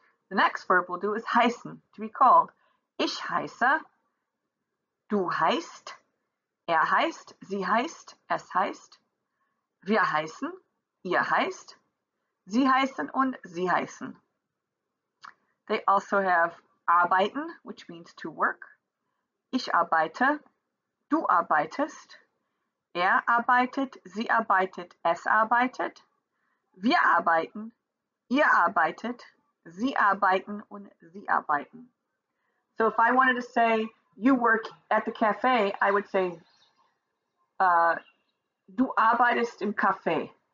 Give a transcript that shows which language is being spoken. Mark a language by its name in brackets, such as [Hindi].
[English] The next verb we'll do is heißen, to be called. [German] Ich heiße, du heißt, heißt, sie heißt, es heißt, wir heißen, ihr heißt, sie heißen und sie heißen. [English] They also have arbeiten, which means to work. [German] Ich arbeite, du arbeitest. Arbeitet, sie arbeitet, es arbeitet, wir arbeiten, ihr arbeitet, sie arbeiten und sie arbeiten. [English] So if I wanted to say you work at the cafe, I would say [German] du arbeitest im Café.